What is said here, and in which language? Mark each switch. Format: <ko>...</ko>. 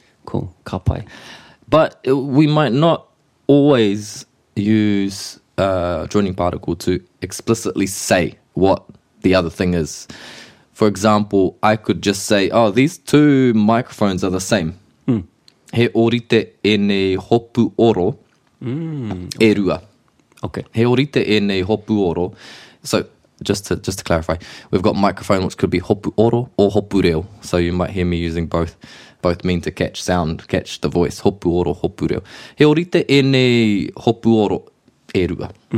<mi>Cool, ka pai.</mi> <en>But we might not always use a joining particle to explicitly say what the other thing is. For example, I could just say, oh, these two microphones are the same.</en> <mi>He orite e nei hopu oro e rua.</mi> <en>Okay.</en> <mi>He orite e nei hopu oro.</mi> <en>So just to clarify, we've got microphone which could be hopu oro or hopu reo. So you might hear me using both mean to catch sound, catch the voice.</en> <mi>Hopu oro, hopu reo. He orite e nei hopu oro e rua.</mi>